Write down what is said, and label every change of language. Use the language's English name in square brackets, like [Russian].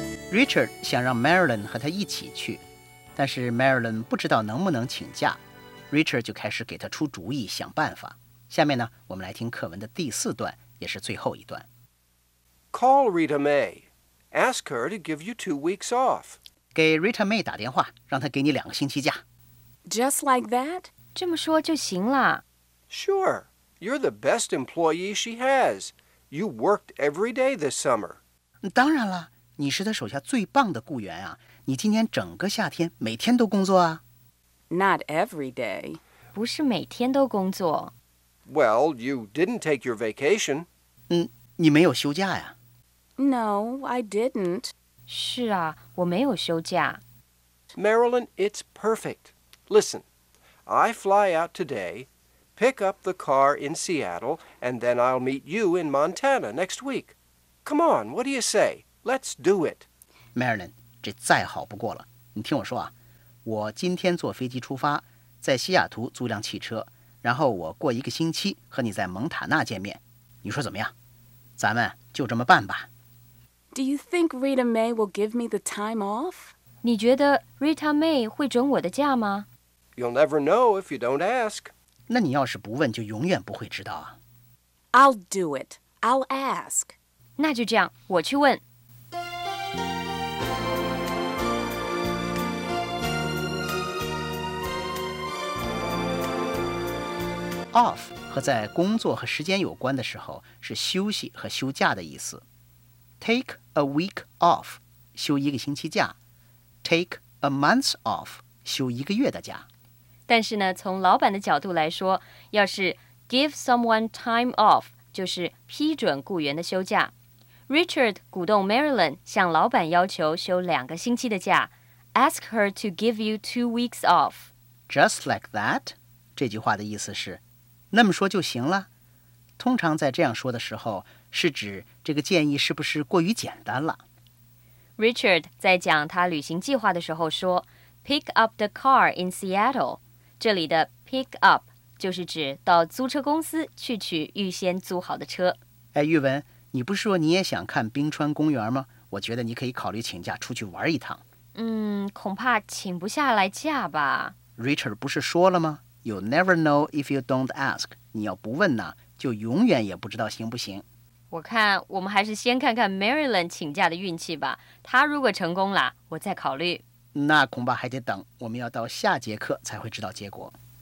[Chinese] Richard 想让 Marilyn 和他一起去，但是 Marilyn 不知道能不能请假， Richard 就开始给他出主意想办法。下面呢，我们来听课文的第四段，也是最后一段。 [English] Call Rita May. Ask her to give you 2 weeks off. [Chinese] 给 Rita May 打电话，让她给你2个星期假。 [English] Just like that? [Chinese] 这么说就行了。 [English] Sure. You're the best employee she has. You worked every day this summer. [Chinese] 当然了，你是他手下最棒的雇员啊，你今年整个夏天每天都工作啊。 [English] Not every day. [Chinese] 不是每天都工作。 [English] Well, you didn't take your vacation. [Chinese] 你没有休假呀。 [English] No, I didn't. [Chinese] 是啊，我没有休假。 [English] Marilyn, it's perfect. Listen, I fly out today, pick up the car in Seattle, and then I'll meet you in Montana next week. Come on, what do you say? Let's do it. [Chinese] Marilyn, 这再好不过了。你听我说啊，我今天坐飞机出发，在西雅图租辆汽车，然后我过一个星期和你在蒙塔纳见面。你说怎么样？咱们就这么办吧。 [English] Do you think Rita May will give me the time off? [Chinese] 你觉得 Rita May 会准我的假吗？ [English] You'll never know if you don't ask. [Chinese] 那你要是不问，就永远不会知道啊。 [English] I'll do it. I'll ask. [Chinese] 那就这样，我去问。 Off 和在工作和时间有关的时候是休息和休假的意思。 [English] Take a week off [Chinese] 休一个星期假， [English] Take a month off [Chinese] 休一个月的假。但是呢，从老板的角度来说，要是 [English] give someone time off [Chinese] 就是批准雇员的休假。 Richard 鼓动 Marilyn 向老板要求休2个星期的假， [English] Ask her to give you 2 weeks off. Just like that? [Chinese] 这句话的意思是那么说就行了，通常在这样说的时候，是指这个建议是不是过于简单了。 Richard 在讲他旅行计划的时候说 [English] Pick up the car in Seattle， [Chinese] 这里的 pick up 就是指到租车公司去取预先租好的车。哎，玉文，你不是说你也想看冰川公园吗？我觉得你可以考虑请假出去玩一趟。恐怕请不下来假吧。 Richard 不是说了吗？ [English] You never know if you don't ask. [Chinese] 你要不问呢，就永远也不知道行不行。我看我们还是先看看 Marilyn 请假的运气吧。她如果成功了，我再考虑。那恐怕还得等，我们要到下节课才会知道结果。